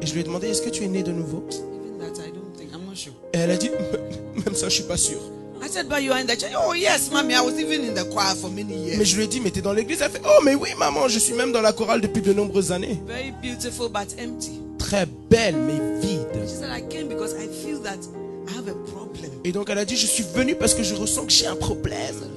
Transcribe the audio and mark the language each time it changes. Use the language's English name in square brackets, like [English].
[French] Et je lui ai demandé, est-ce que tu es né de nouveau? [English] Even that, I don't think. I'm not sure. [French] Et elle a dit, même ça, je suis pas sûr. [English] I said, but you are in the church. Oh yes, mami, I was even in the choir for many years. [French] Mais je lui ai dit, mais t'es dans l'église. Elle fait, oh mais oui, maman, je suis même dans la chorale depuis de nombreuses années. [English] Very beautiful, but empty. [French] Très belle mais vide. [English] She said, I came because I feel that I have a problem. [French] Et donc elle a dit, je suis venue parce que je ressens que j'ai un problème.